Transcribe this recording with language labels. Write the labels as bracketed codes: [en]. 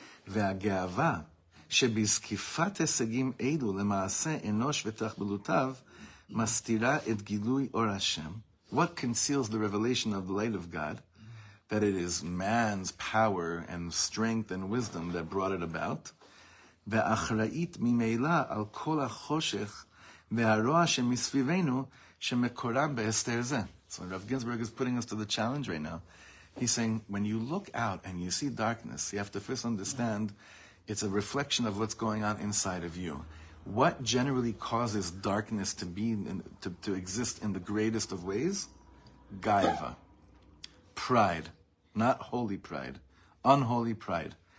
[he] Ve'agaava shebizkifat esagim eidu lema'aseh enosh v'tachbelutav מסתירה את גילוי אור השם. [en] What conceals the revelation of the light of God? That it is man's power and strength and wisdom that brought it about. [he] ואחראית ממילא על כל החושך והרוע שמסביבנו שמקורם בהסתר זה. [en] So Rav Ginsburg is putting us to the challenge right now. He's saying, when you look out and you see darkness, you have to first understand it's a reflection of what's going on inside of you. What generally causes darkness to be to exist in the greatest of ways? Gaiva. Pride. Not holy pride. Unholy pride.